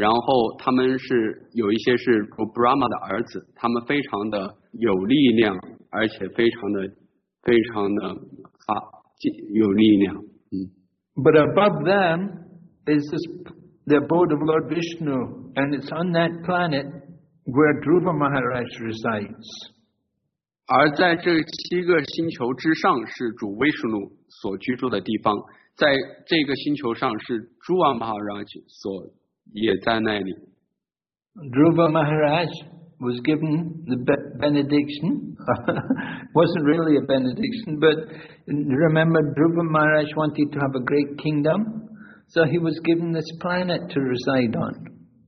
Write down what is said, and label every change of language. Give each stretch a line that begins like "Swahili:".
Chinese: 这七个圣贤所居住的星球在这个宇宙的顶部，然后他们是有 Brahma 的儿子，他们非常的有力量，而且非常的有力量。
English: But above them is the abode of Lord Vishnu, and it's on that planet where Dhruva Maharaj resides.
Chinese: 而在这七个星球之上是主威士努所居住的地方，在这个星球上是朱瓦马哈拉也在那里。Dhruva
English: Maharaj was given the benediction. Wasn't really a benediction, but remember Dhruva Maharaj wanted to have a great kingdom, so he was given this planet to reside on.